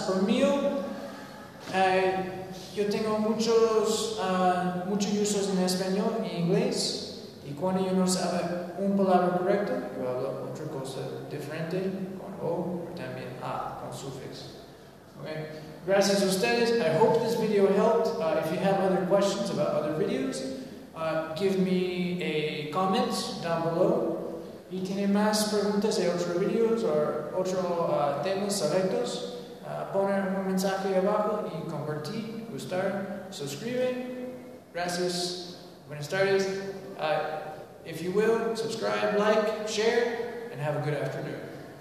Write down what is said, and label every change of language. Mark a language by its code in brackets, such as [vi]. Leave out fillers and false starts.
[es] Por mí, yo tengo muchos usos en español e inglés y cuando yo no sabe una palabra correcta, yo hablo otra cosa diferente con O o también A con sufix. [en] Okay. [es] Gracias a ustedes. [en] I hope this video helped. If you have other questions about other videos, give me a comment down below. [es] Y tiene más preguntas de otros videos o otros temas selectos, poner un mensaje abajo y compartir, gustar, suscribe. Gracias. Buenas tardes. [en] If you will, subscribe, like, share, and have a good afternoon.